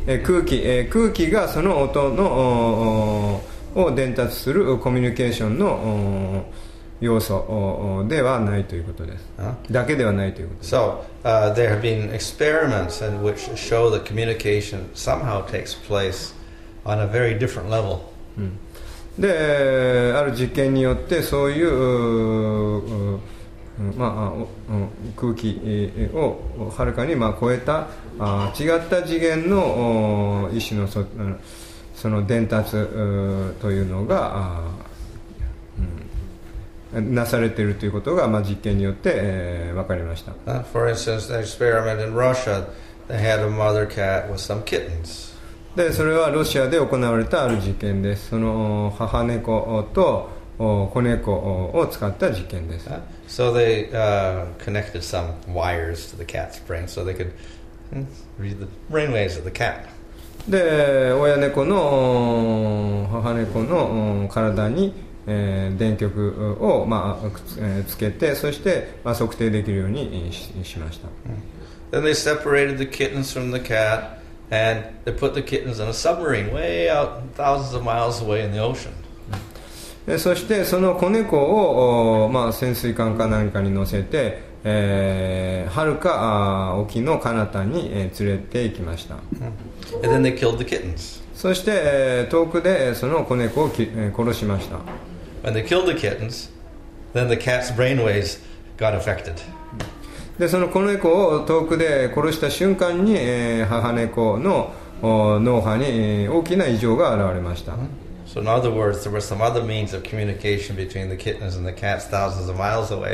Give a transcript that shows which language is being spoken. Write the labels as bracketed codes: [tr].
[ja] 空気、空気がその音のを伝達するコミュニケーションの要素ではないということです。だけではないということです。 [en] So, there have been experiments in which show that communication somehow takes place on a very different level. [ja] である実験によってそういう、まあ、空気をはるかに、まあ、超えた違った次元の意思の その伝達というのが、なされているということが、まあ、実験によって、分かりました。 [en] For instance, an experiment in Russia, they had a mother cat with some kittens. [ja] でそれはロシアで行われたある実験です。その母猫と子猫を使った実験です。 [en] So they connected some wires to the cat's brain so they could read the brain waves of the cat. [ja] で親猫の母猫の体に電極を、まあ、つけてそして、まあ、測定できるように しました。 [en] Then they separated the kittens from the catAnd they put the kittens on a submarine way out thousands of miles away in the ocean. [ja] そしてその子猫を、まあ、潜水艦か何かに乗せて、遥か沖の彼方に、連れて行きました。 [en] And then they killed the kittens. [ja] そして遠くでその子猫を殺しました。 [en] When they killed the kittens, then the cat's brainwaves got affected. [ja] でその子猫を遠くで殺した瞬間に母猫の脳波に大きな異常が現れました。 [en] So in other words, there were some other means of communication between the kittens and the cats thousands of miles away.